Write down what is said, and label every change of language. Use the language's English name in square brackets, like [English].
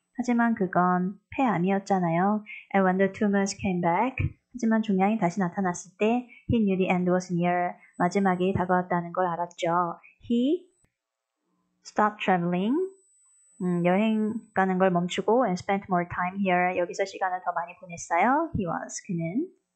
[Korean] 하지만 그건 폐암이었잖아요. [English] And when the tumors came back, [Korean] 하지만 종양이 다시 나타났을 때, [English] he knew the end was near. [Korean] 마지막이 다가왔다는 걸 알았죠. [English] He stopped traveling. [Korean] 여행 가는 걸 멈추고, [English] and spent more time here. [Korean] 여기서 시간을 더 많이 보냈어요. [English] He was. [Korean] 그는.